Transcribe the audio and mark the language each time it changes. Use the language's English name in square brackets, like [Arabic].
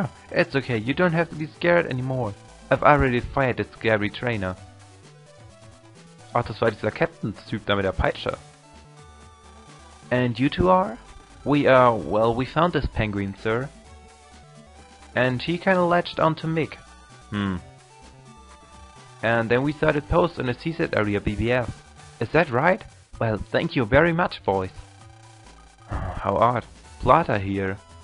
[English] It's okay, you don't have to be scared anymore. I've already fired that scary trainer. [German] Ach, das war dieser Captain-Typ da mit der Peitsche. [English] And you two are? We are, well, we found this penguin, sir. And he kinda latched onto Mick. And then we started posts on the Seaside Area BBF. Is that right? Well, thank you very much, boys. How odd. Plata here.